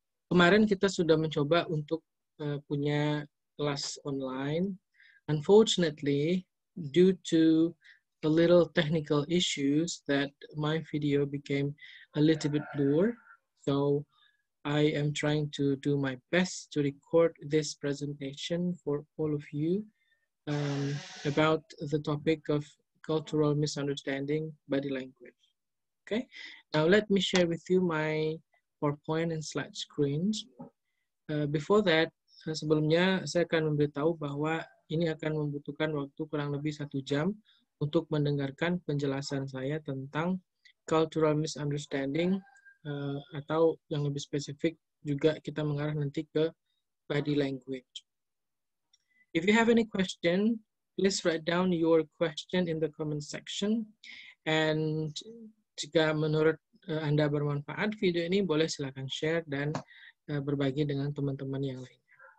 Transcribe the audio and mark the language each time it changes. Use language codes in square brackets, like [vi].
[id] Kemarin kita sudah mencoba untuk punya kelas online. [en] Unfortunately, due to a little technical issues that my video became a little bit blur, so I am trying to do my best to record this presentation for all of you about the topic of cultural misunderstanding body language. Okay, now let me share with you my PowerPoint and slide screens. Before that, [id] sebelumnya saya akan memberitahu bahwa ini akan membutuhkan waktu kurang lebih 1 jam untuk mendengarkan penjelasan saya tentang cultural misunderstanding atau yang lebih spesifik juga kita mengarah nanti ke body language. [en] If you have any question, please write down your question in the comment section. [id] And jika menurut Anda bermanfaat video ini, boleh silakan share dan berbagi dengan teman-teman yang lainnya.